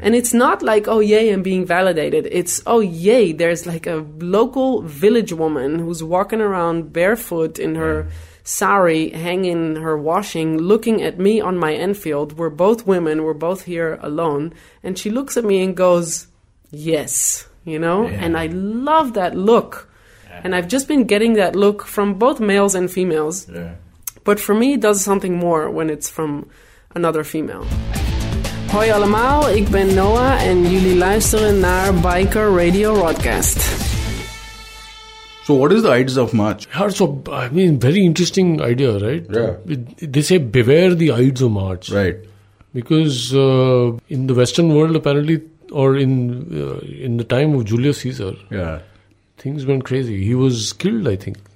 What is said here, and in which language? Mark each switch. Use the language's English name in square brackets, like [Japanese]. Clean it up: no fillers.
[English] And it's not like, oh, yay, I'm being validated. It's, oh, yay, there's like a local village woman who's walking around barefoot in her sari, hanging her washing, looking at me on my Enfield. We're both women. We're both here alone. And she looks at me and goes, yes. You know, and I love that look. And I've just been getting that look from both males and females. Yeah. But for me, it does something more when it's from another female. [Dutch] Hoi allemaal, ik ben Noah en jullie luisteren naar Biker Radio Broadcast. [English] So what is the Ides of March? Yeah, so I mean, very interesting idea, right? Yeah. They say beware the Ides of March. Right. Because in the Western world, apparently, or in the time of Julius Caesar, yeah, things went crazy. He was killed, I think.